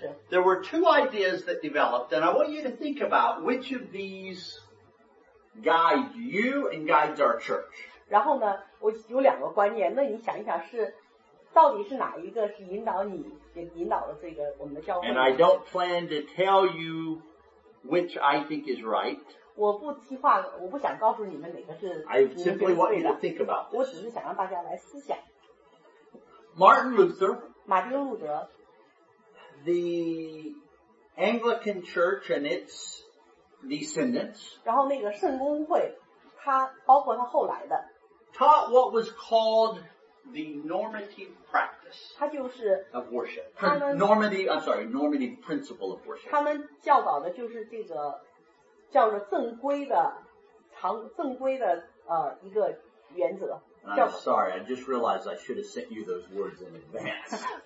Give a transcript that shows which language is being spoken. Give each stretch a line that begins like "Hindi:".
English: there were two ideas that developed and I want you to think about which of theseGuide you and guides our church.
Chinese: 然后呢，我有两个观念。那你想一想是，到底是哪一个是引导你，也引导了这个我们的教会
English: ？And I don't plan to tell you which I think is right.
Chinese: 我不计划，我不想告诉你们哪个是。
English: I simply want you to think about this.
Chinese: 我只是想让大家来思想。
English: Martin Luther,
Chinese: 马丁路德,
English: the Anglican Church and its descendants,
Chinese: 然后那个圣公会, 他包括他后来的,
English: taught what was called the normative practice,
Chinese: 他就是,
English: of worship.
Chinese: 他们,
English: normative, I'm sorry, normative principle of worship.
Chinese: 他们教导的就是这个叫做正规的常正规的一个原则。
English: And I'm sorry, I just realized I should have sent you those words in advance.